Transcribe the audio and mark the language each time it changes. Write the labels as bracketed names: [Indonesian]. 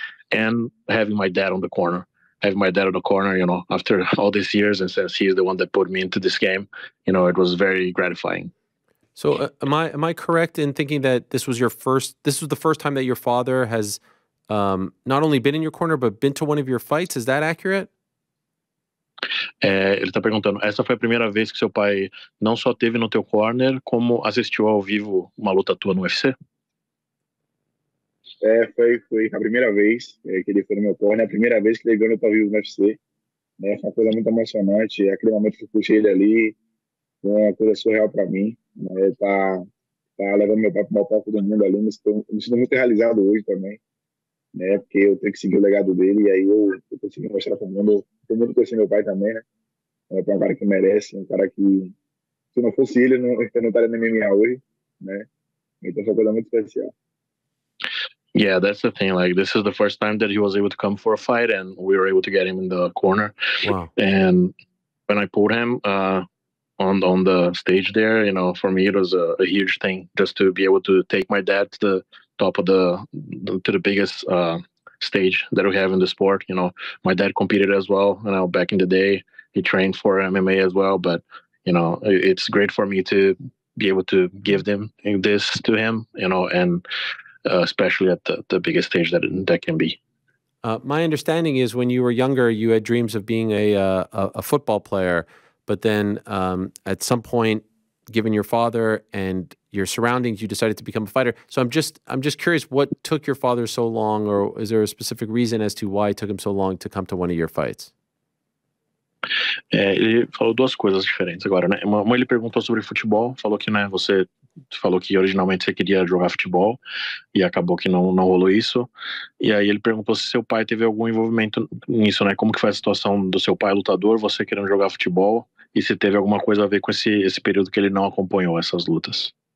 [English] And having my dad on the corner, you know, after all these years, and since he's the one that put me into this game, you know, it was very gratifying. So am I correct in thinking that this was your first, this was the first time that your father has not only been in your corner, but been to one of your fights? Is that accurate? [Portuguese] É, ele está perguntando, essa foi a primeira vez que seu pai não só teve no teu corner, como assistiu ao vivo uma luta tua no UFC? É, foi a primeira vez que ele foi no meu corner, a primeira vez que ele viu no ao vivo no UFC. Né? Foi uma coisa muito emocionante, aquele momento que eu puxei ele ali, foi uma coisa surreal para mim. Tá levando meu pai pro maior palco do mundo ali, me sinto muito realizado hoje também, né, porque eu tenho que seguir o legado dele, e aí eu consegui mostrar pro mundo, todo mundo conhecer meu pai também, né, é um cara que merece, um cara que, se não fosse ele, eu não estaria na MMA hoje, né, então foi uma coisa muito especial. [English] Yeah, that's the thing. Like, this is the first time that he was able to come for a fight, and we were able to get him in the corner. Wow. And when I pulled him, on the stage there, you know, for me it was a huge thing just to be able to take my dad to the top of the biggest stage that we have in the sport. You know, my dad competed as well, you know, back in the day. He trained for MMA as well, but you know, it's great for me to be able to give them this to him, you know, and especially at the biggest stage that can be. My understanding is when you were younger you had dreams of being a football player. But then at some point, given your father and your surroundings, you decided to become a fighter. So I'm just curious, what took your father so long, or is there a specific reason as to why it took him so long to come to one of your fights? [Portuguese] É, ele falou duas coisas diferentes agora, né? Uma, ele perguntou sobre futebol, falou que, né, você falou que originalmente você queria jogar futebol e acabou que não rolou isso. E aí ele perguntou se seu pai teve algum envolvimento nisso, né? Como que foi a situação do seu pai lutador, você querendo jogar futebol, e se teve alguma coisa a ver com esse período que ele não acompanhou essas lutas.